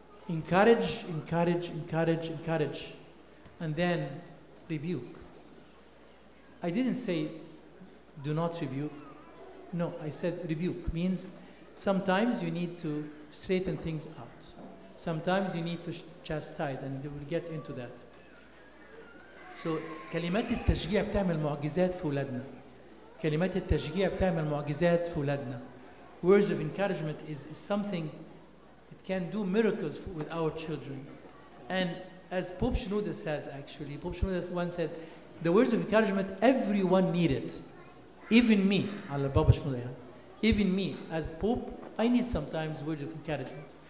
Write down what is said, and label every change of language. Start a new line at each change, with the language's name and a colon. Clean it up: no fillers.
English: Encourage, encourage, encourage, encourage, and then rebuke. I didn't say do not rebuke. No, I said rebuke means sometimes you need to straighten things out. Sometimes you need to chastise, and we'll get into that. So,
Arabic: كلمات التشجيع بتعمل معجزات في ولادنا. كلمات التشجيع بتعمل معجزات في ولادنا.
English: Words of encouragement is something it can do miracles with our children. And as Pope Shenouda says, actually, Pope Shenouda once said, the words of encouragement, everyone need it. Even me, Allah Baba Shenouda, even me as Pope, I need sometimes words of encouragement.